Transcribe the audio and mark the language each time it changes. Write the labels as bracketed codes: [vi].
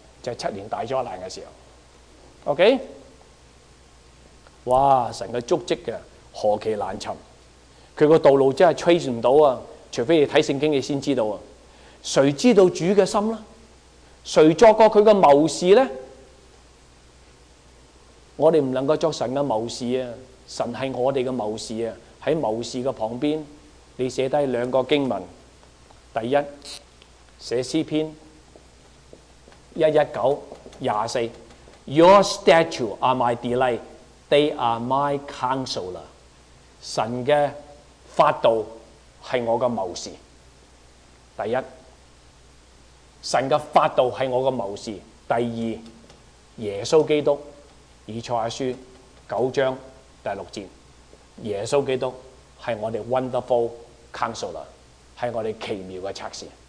[zh] 就是七年大灾难的时候。OK， 哇，神的足迹的何其难寻，他的道路真的 trace 不到啊，除非你看圣经你才知道啊。谁知道主的心呢？谁作过他的谋士呢？我们不能够作神的谋士啊，神是我们的谋士啊。在谋士的旁边，你写下两个经文。第一，写诗篇119:24， [en] Your statutes are my delight, they are my counselor. [zh] 神的法度是我的谋士。第一，神的法度是我的谋士。第二，耶稣基督，以赛亚书九章第六节，耶稣基督是我们 [en] wonderful counselor， [zh] 是我们奇妙的策士。